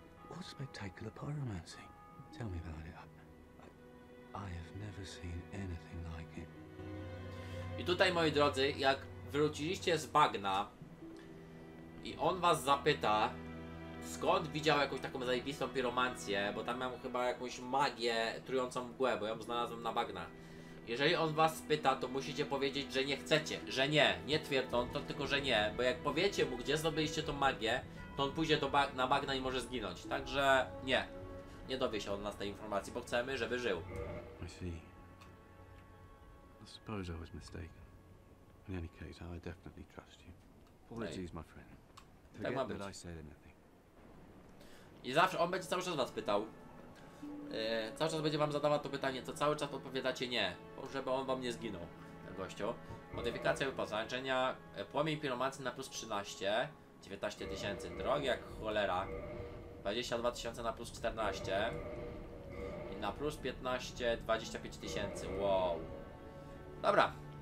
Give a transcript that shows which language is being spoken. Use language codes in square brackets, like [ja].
[en] What spectacular pyromancy? Tell me about it. I have never seen anything like it. [pl] I tutaj, moi drodzy, jak wróciliście z bagna i on was zapyta, skąd widział jakąś taką zajebistą piromancję, bo tam miał chyba jakąś magię trującą mgłę, bo ją znalazłem na bagnach. Jeżeli on was pyta, to musicie powiedzieć, że nie chcecie, że nie, nie twierdzą to, tylko że nie, bo jak powiecie mu, gdzie zdobyliście tą magię, to on pójdzie na bagna i może zginąć. Także nie. Nie dowie się od nas tej informacji, bo chcemy, żeby żył. [en] I see. I suppose I was mistaken. In any case, I definitely trust you. Apologies, my friend. [pl] Tak ma być. I zawsze on będzie cały czas was pytał. Cały czas będzie wam zadawał to pytanie, to cały czas odpowiadacie nie, żeby on wam nie zginął, gościu. Modyfikacja wyposażenia. Płomień piromancy na plus 13. 19 tysięcy, drogi jak cholera. 22 tysiące na plus 14 i na plus 15, 25 tysięcy. Wow. Dobra.